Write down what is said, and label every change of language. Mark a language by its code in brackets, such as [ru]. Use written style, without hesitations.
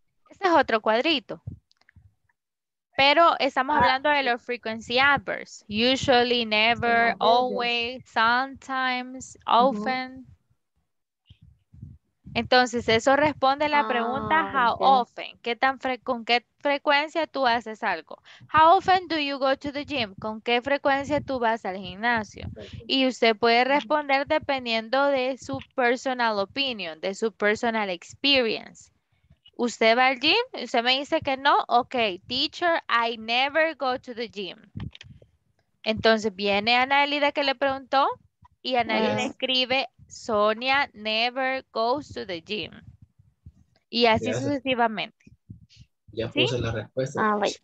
[es] Este es otro cuadrito. Pero estamos hablando de los [en] frequency adverbs. Usually, never, always, sometimes, often. [es] Entonces, eso responde la pregunta, [en] how often? [es] ¿Qué tan con qué frecuencia tú haces algo? [en] How often do you go to the gym? [es] ¿Con qué frecuencia tú vas al gimnasio? Y usted puede responder dependiendo de su [en] personal opinion, [es] de su [en] personal experience. [es] ¿Usted va al gym? ¿Usted me dice que no? [en] Ok, teacher, I never go to the gym. [es] Entonces, viene Anaelida que le preguntó y Anaelida escribe... [en] Sonia never goes to the gym. [es] Y así [en] yes. [es] sucesivamente. Ya puse ¿sí? la respuesta.